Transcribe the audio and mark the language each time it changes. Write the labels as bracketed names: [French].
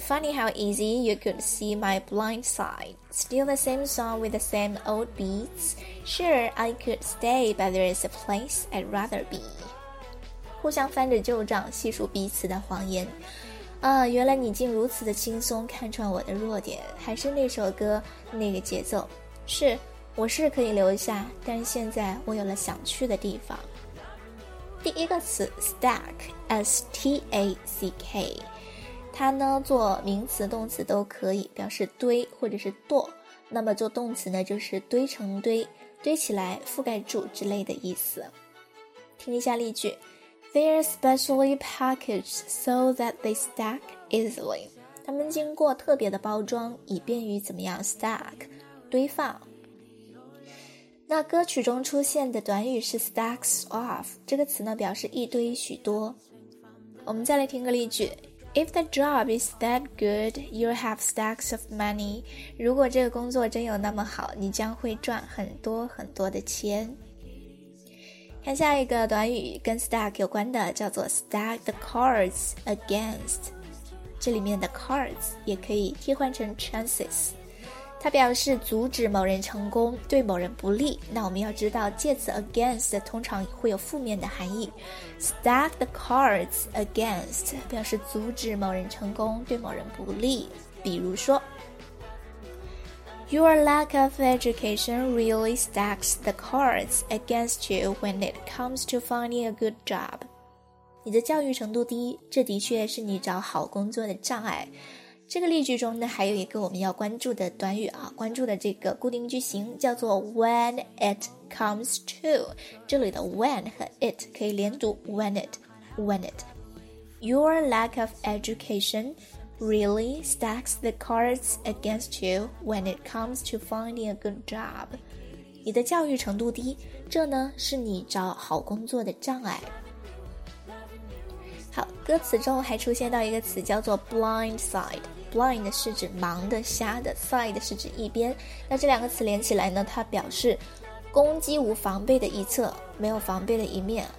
[English] Funny how easy you could see my blind side. Still the same song with the same old beats. Sure, I could stay, but there is a place I'd rather be. [Chinese] 互相翻着旧账，细数彼此的谎言。啊，原来你竟如此的轻松看穿我的弱点，还是那首歌，那个节奏。是，我是可以留下，但是现在我有了想去的地方。第一个词 stack，S-T-A-C-K， 它呢做名词、动词都可以，表示堆或者是垛。那么做动词呢，就是堆成堆、堆起来、覆盖住之类的意思。听一下例句。 [English] They're specially packaged so that they stack easily. [Chinese] 他们经过特别的包装，以便于怎么样 stack 堆放。那歌曲中出现的短语是 stacks of， 这个词呢表示一堆、许多。我们再来听个例句 [English] ：If the job is that good, you'll have stacks of money. [Chinese] 如果这个工作真有那么好，你将会赚很多很多的钱。看下一个短语跟 stack 有关的，叫做 [English] stack the cards against， [Chinese] 这里面的 cards 也可以替换成 chances， 它表示阻止某人成功，对某人不利。那我们要知道介词 against 通常会有负面的含义， [English] stack the cards against [Chinese] 表示阻止某人成功，对某人不利。比如说 [English] Your lack of education really stacks the cards against you when it comes to finding a good job. [Chinese] 你的教育程度低，这的确是你找好工作的障碍。这个例句中呢，还有一个我们要关注的短语啊，关注的这个固定句型叫做 [English] when it comes to。 [Chinese] 这里的 when 和 it 可以连读 [English] when it, when it. Your lack of education. Really stacks the cards against you when it comes to finding a good job. [Chinese] 你的教育程度低，这呢是你找好工作的障碍。好，歌词中还出现到一个词叫做 blind side. Blind 是指盲的、瞎的， side 是指一边。那这两个词连起来呢，它表示攻击无防备的一侧，没有防备的一面。